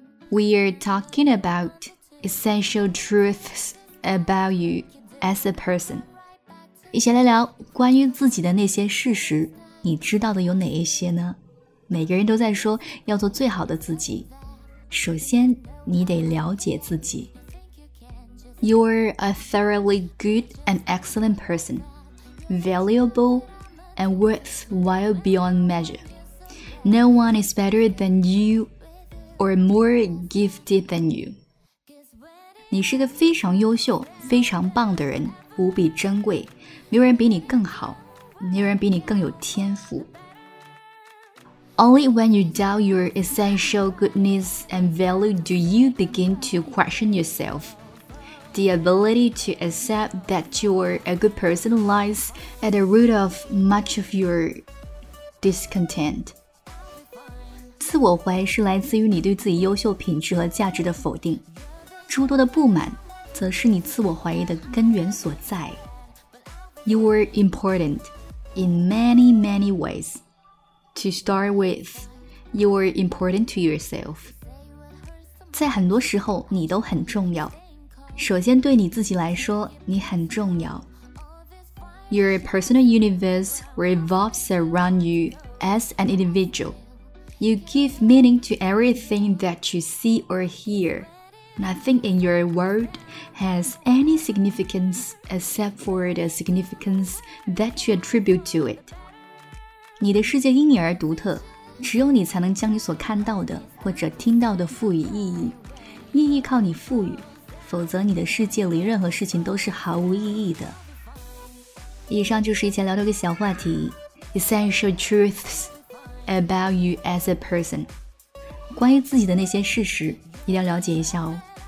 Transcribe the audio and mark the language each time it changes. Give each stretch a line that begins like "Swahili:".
English: We are talking about essential truths about you as a person，
Chinese: 一起来聊关于自己的那些事实，你知道的有哪一些呢？每个人都在说要做最好的自己，首先你得了解自己。
English: You're a thoroughly good and excellent person, valuable and worthwhile beyond measure. No one is better than you or more gifted than you.
Chinese: 你是个非常优秀非常棒的人，无比珍贵，没有人比你更好，没有人比你更有天赋。
English: Only when you doubt your essential goodness and value do you begin to question yourself. The ability to accept that you're a good person lies at the root of much of your discontent.
Chinese: 自我怀疑是来自于你对自己优秀品质和价值的否定，诸多的不满则是你自我怀疑的根源所在。
English: You are important in many, many ways. To start with, you are important to yourself.
Chinese: 在很多时候你都很重要。首先对你自己来说你很重要。
English: Your personal universe revolves around you as an individual. You give meaning to everything that you see or hear. Nothing in your world has any significance except for the significance that you attribute to it.
Chinese: 你的世界因你而独特，只有你才能将你所看到的或者听到的赋予意义，意义靠你赋予，否则你的世界里任何事情都是毫无意义的。以上就是以前聊的一个小话题，
English: Essential truths about you as a person，
Chinese: 关于自己的那些事实一定要了解一下哦。